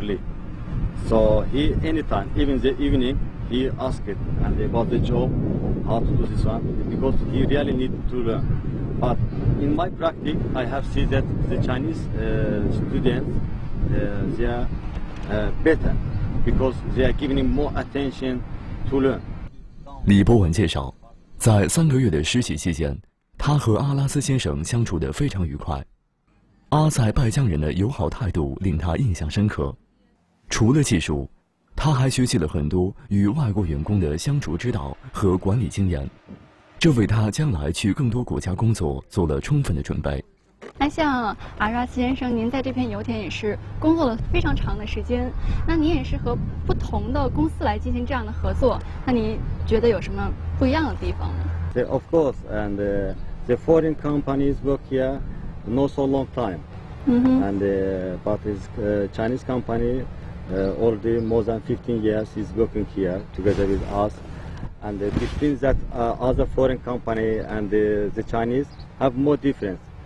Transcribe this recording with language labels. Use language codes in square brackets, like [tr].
[en] Lee, so he anytime, even the evening, he asked and about the job, how to do this one, because he really need to learn. But in my practice, I have seen that the Chinese students, they are better because they are giving more attention to learn. [zh] 李波文介绍，在三个月的实习期间，他和阿拉斯先生相处得非常愉快。阿塞拜疆人的友好态度令他印象深刻。除了技术，他还学习了很多与外国员工的相处之道和管理经验。这为他将来去更多国家工作做了充分的准备。那像阿拉斯先生，您在这片油田也是工作了非常长的时间，那您也是和不同的公司来进行这样的合作，那您觉得有什么不一样的地方呢 [en] ？The of course and the foreign companies work here not so long time. 嗯哼。 And but this Chinese company already more than 15 years is working here together with us. And between that other foreign company and the Chinese have more difference.